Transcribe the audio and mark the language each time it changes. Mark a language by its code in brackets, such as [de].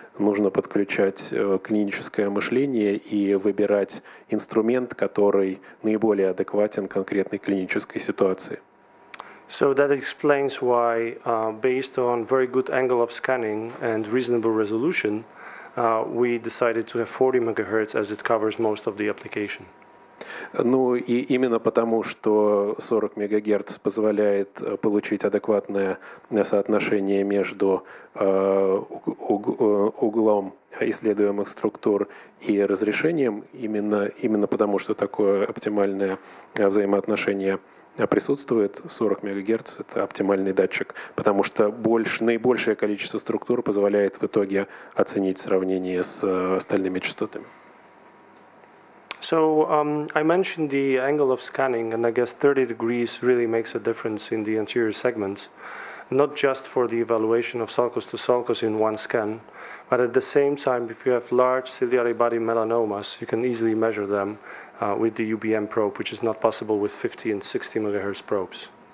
[ru] Нужно подключать клиническое мышление и выбирать инструмент, который наиболее адекватен конкретной клинической ситуации. [en] So that explains why, based on very good angle of scanning and reasonable resolution, we decided to have 40 megahertz as it covers most of the application. [ru] Ну и именно потому, что 40 мегагерц позволяет получить адекватное соотношение между углом исследуемых структур и разрешением, именно потому, что такое оптимальное взаимоотношение присутствует, 40 МГц – это оптимальный датчик, потому что наибольшее количество структур позволяет в итоге оценить сравнение с остальными частотами. [en] So, I mentioned the angle of scanning, and I guess 30 degrees really makes a difference in the anterior segments, not just for the evaluation of sulcus to sulcus in one scan, but at the same time, if you have large ciliary body melanomas, you can easily measure them with the UBM probe, which is not possible with 50 and 60 megahertz probes.